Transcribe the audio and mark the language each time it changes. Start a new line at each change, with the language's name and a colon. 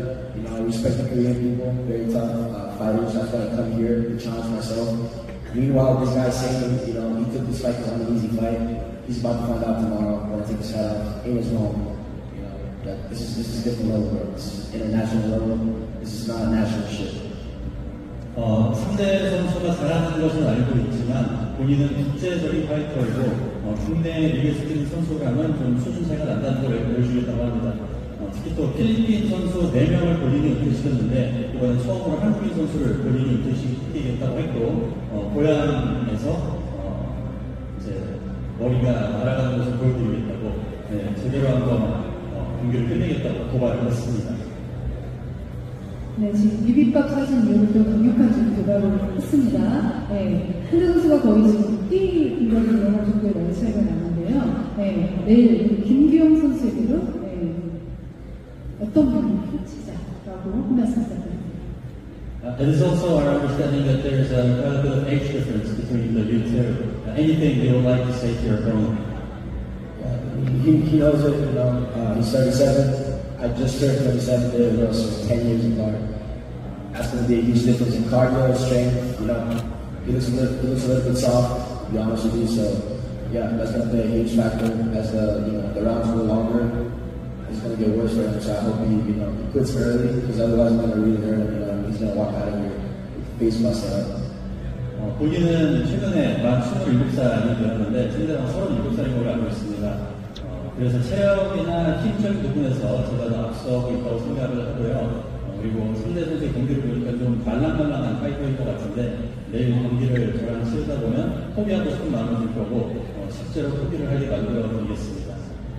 English: You know, I respect the Korean people, very tough fighters. That's why I come here to challenge myself. Meanwhile, this guy's saying, you know, he took this fight on an easy fight. He's about to find out tomorrow. I'm gonna take a shot out. It was wrong. You know, that this is a different level, bro. This is international level. This is not a national shit.
Korean: 상대 선수가 잘하는 것은 알고 있지만 본인은 국제적인 파이터이고 국내에 리그에 쓰는 선수랑은 좀 수준차가 난다는 걸 보여주겠다고 합니다. 특히 또 필리핀 선수 4명을 본인이 이끄셨는데 이번에 처음으로 한국인 선수를 본인이 이끄시겠다고 했고 고향에서 이제 머리가 날아가는 것을 보여드리겠다고 제대로 한번 경기를 끝내겠다고 도발을 했습니다. 네, 지금 비빔밥 사진 이후부터 강력한 지금 도발을 했습니다. 네, 현대 선수가 거의 지금 뛰는 그런 정도의 많이 차이가 났는데요. 네, 내일 김규영 선수에게도 네, 어떤 분이 펼치자라고 혼났습니다.
English: It is also our understanding that there is a quite a bit of age difference between the youth here. Anything they would like to say to your opponent? He knows it, you know, he's 37. I just turned 37 today, you know, so 10 years apart. That's going to be a huge difference in cardio, strength, you know. He looks a little bit soft, to be honest with you. So, yeah, that's going to be a huge factor as the, you know, the rounds go longer. It's going to get worse for him, so I hope he quits early, because otherwise I'm going to really hurt him, you know, and he's going to walk out of here with face muscle.
Korean: 본인은 최근에 만 27살이 되었는데, 최근에 37살인 걸 알고 있습니다. 그래서 체력이나 팀적 부분에서 제가 더 앞서고 있다고 생각을 하고요. 그리고 상대 선수의 경기를 보니까 좀 발랑발랑한 파이터일 것 같은데 내일 경기를 저랑 치르다 보면 포기하고 싶은 마음이 들 거고 실제로 포기를 하게 만들어드리겠습니다.